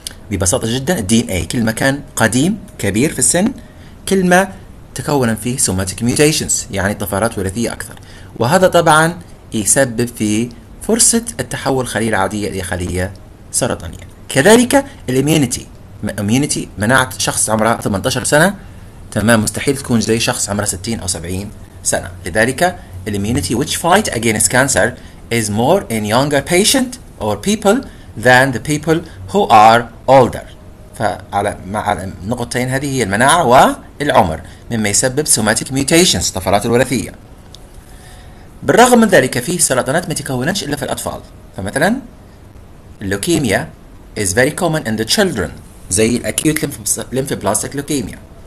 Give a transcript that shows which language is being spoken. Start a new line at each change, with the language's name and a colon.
Arabic: ببساطه جدا الدي ان اي كل ما كان قديم كبير في السن كل ما تكون فيه سوماتيك ميوتيشنز، يعني طفرات وراثيه اكثر، وهذا طبعا يسبب في فرصة التحول خلية عادية إلى خلية سرطانية. كذلك الإميونيتي، مناعة شخص عمره 18 سنة تمام، مستحيل تكون زي شخص عمره 60 او 70 سنه. لذلك الاميونيتي
English: which fight against cancer is more in younger patient or people than the people who are older.
Arabic: فعلى مع النقطتين هذه هي المناعه والعمر، مما يسبب somatic mutations الطفرات الوراثيه. بالرغم من ذلك فيه سرطانات ما تكونش الا في الاطفال، فمثلا اللوكيميا
English: is very common in the children،
Arabic: زي الاكيوت lymphoblastic leukemia.